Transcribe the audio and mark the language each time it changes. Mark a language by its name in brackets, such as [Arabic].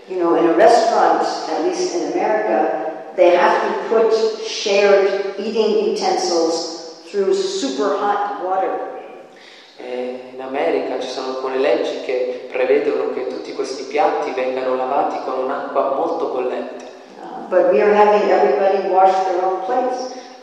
[English] You know, in a restaurant, at least in America, they have to put shared eating utensils through super hot water. [Italian] In America ci sono alcune leggi che prevedono che tutti questi piatti vengano lavati con un'acqua molto bollente. [English] But we are having everybody wash their own plates.